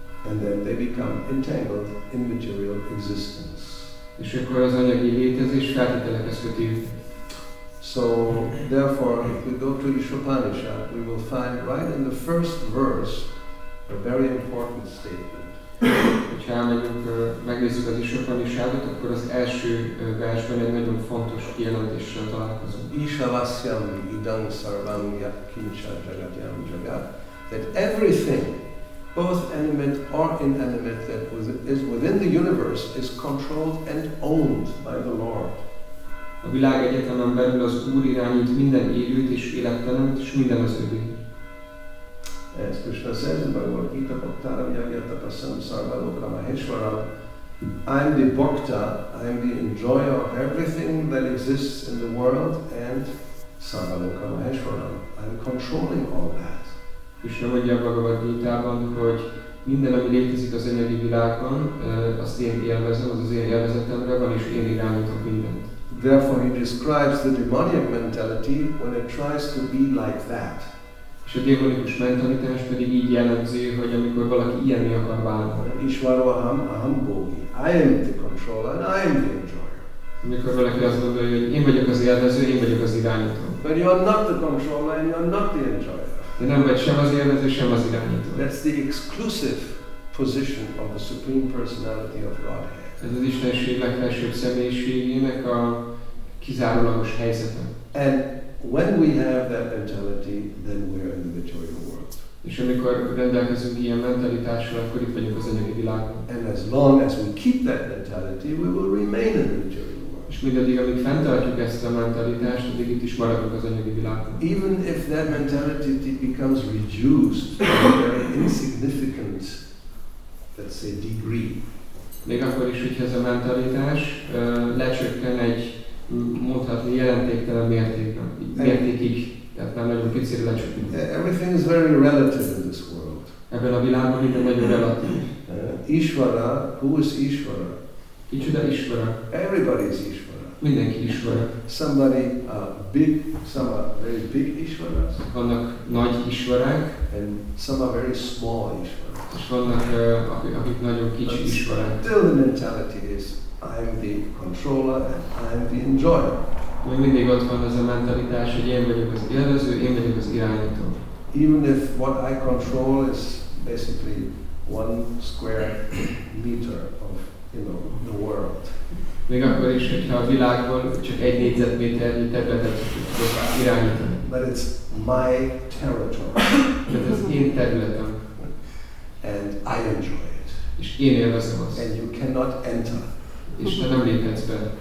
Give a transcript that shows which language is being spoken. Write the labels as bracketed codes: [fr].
[en] And then they become entangled in material existence. [hu] És akkor az anyagi létezés feltételekhez köti őket. [en] So, therefore, if we go to Ishopanishad, we will find right in the first verse a very important statement. [hu] Hogyha elmegyünk, megnézzük az Isopanishádot, akkor az első versben egy nagyon fontos kijelentéssel találkozunk. [sa] Ishavasyami idam sarvamya kincsa jagatyam jagat. [en] That everything, both animate or inanimate, that is within the universe, is controlled and owned by the Lord. [hu] A világ egyetemen belül az Úr irányít minden élőt és élettelent, és minden az övé. [en] As Krishna says in Bhagavad Gita, [sa] Bhaktaram Yagyatapasam Sarvaloka Maheshwaram, [en] I am the Bhakta, I am the enjoyer of everything that exists in the world, and [sa] Sarvaloka Maheshwaram, [en] I am controlling all that. [hu] Krishna mondja a Bhagavad Gita-ban, hogy minden, ami létezik az anyagi világban, azt én élvezem, az én élvezetemre van, és én irányítok mindent. [en] Therefore he describes the demonic mentality when it tries to be like that. [hu] És a démonikus mentalitás pedig így jellemzi, hogy amikor valaki ilyenni akar válni. [sa] Ishvaroham aham bhogi. [en] I am the controller and I am the enjoyer. [hu] Amikor valaki azt gondolja, hogy én vagyok az élvező, én vagyok az irányító. [en] But you are not the controller and you are not the enjoyer. [hu] De nem vagy sem az élvező, sem az irányító. [en] That's the exclusive position of the Supreme Personality of Godhead. [hu] Ez az Istenség legfelsőbb személyiségének a kizárólagos helyzete. [en] When we have that mentality, then we are in the material world. [hu] És amikor rendelkezünk ilyen mentalitással, akkor itt vagyunk az anyagi világban. [en] And as long as we keep that mentality, we will remain in the material world. [hu] És mindaddig, amíg fenntartjuk ezt a mentalitást, addig itt is maradunk az anyagi világban. [en] Even if that mentality becomes reduced to a very insignificant, let's say, degree. [hu] Még akkor is, hogyha ez a mentalitás lecsökken egy mondhatni jelentéktelen mértékig, tehát már nagyon picit lecsökünk. [en] Everything is very relative in this world. [hu] Ebben a világban minden nagyon relatív. [en] Ishvara, who is Ishvara? [hu] Kicsoda Ishvara? [en] Everybody is Ishvara. [hu] Mindenki Ishvara. [en] Somebody a big, some are very big Ishvaras. [hu] Vannak nagy Ishvarák. [en] And some are very small Ishvaras. [hu] És vannak, akik nagyon kicsi [en] But [hu] Ishvarák. [en] Still the mentality is I am the controller and I am the enjoyer. [hu] Még mindig ott van ez a mentalitás, hogy én vagyok az élvező, én vagyok az irányító. [en] Even if what I control is basically one square meter of, you know, the world. [hu] Még akkor is, hogyha a világban csak egy négyzetméternyi területet tudok irányítani. [en] But it's my territory. [hu] Tehát ez én területem. [en] And I enjoy it. [hu] és én élvezem azt. [en] And you cannot enter. [hu] És te nem léphetsz be.